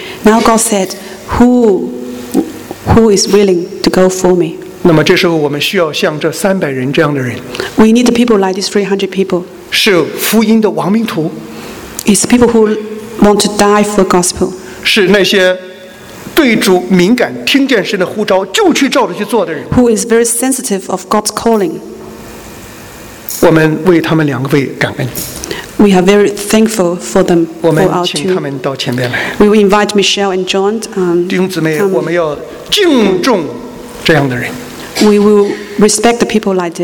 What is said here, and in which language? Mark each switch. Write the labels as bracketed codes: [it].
[en] ？Now God said, who is willing to go for me? [zh] 那么这时候我们需要像这三百人这样的人 [en] We need people like these 300 people [zh] 是福音的亡命徒 [en] It's people who want to die for gospel [zh] 是那些对主敏感听见神的呼召就去照着去做的人 [en] Who is very sensitive of God's calling [zh] 我们为他们两位感恩 [en] We are very thankful for them [zh] 我们请他们到前面来 [en] We will invite Michelle and John [zh] 弟兄姊妹我们要敬重这样的人 [en] We will respect the people like this.